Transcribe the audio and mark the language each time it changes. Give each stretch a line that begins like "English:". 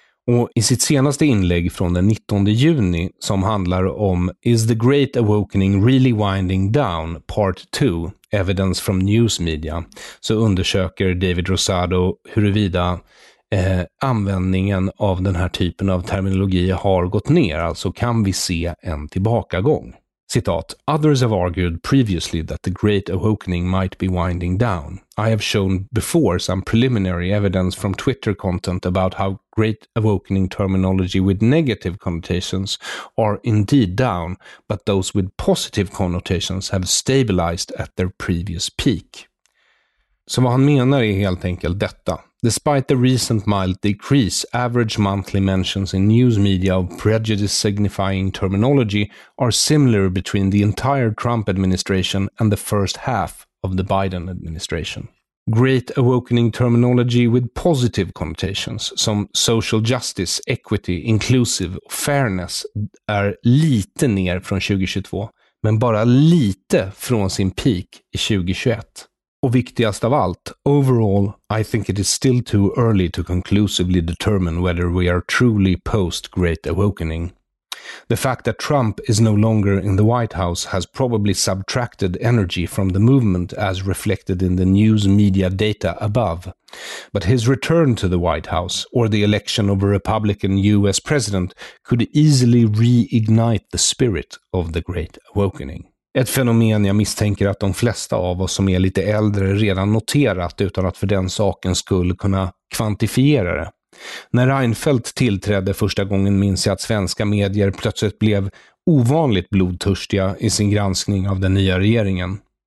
Swedish: Och i sitt senaste inlägg från den 19 juni som handlar om Is the Great Awakening Really Winding Down Part 2 Evidence from News Media så undersöker David Rosado huruvida användningen av den här typen av terminologi har gått ner, alltså kan vi se en tillbakagång.
English: Citat: Others have argued previously that the Great Awakening might be winding down. I have shown before some preliminary evidence from Twitter content about how Great Awakening terminology with negative connotations are indeed down, but those with positive connotations have stabilized at their previous peak.
Swedish: Så vad han menar är helt enkelt detta.
English: Despite the recent mild decrease, average monthly mentions in news media of prejudice-signifying terminology are similar between the entire Trump administration and the first half of the Biden administration. Great awakening terminology with positive connotations,
Swedish: som social justice, equity, inclusive, fairness, är lite ner från 2022, men bara lite från sin peak i 2021. Och viktigast av allt,
English: overall, I think it is still too early to conclusively determine whether we are truly post-Great Awakening. The fact that Trump is no longer in the White House has probably subtracted energy from the movement as reflected in the news media data above. But his return to the White House, or the election of a Republican US president, could easily reignite the spirit of the Great Awakening.
Swedish: Ett fenomen jag misstänker att de flesta av oss som är lite äldre redan noterat utan att för den saken skulle kunna kvantifiera det. När Reinfeldt tillträdde första gången minns jag att svenska medier plötsligt blev ovanligt blodtörstiga i sin granskning av den nya regeringen.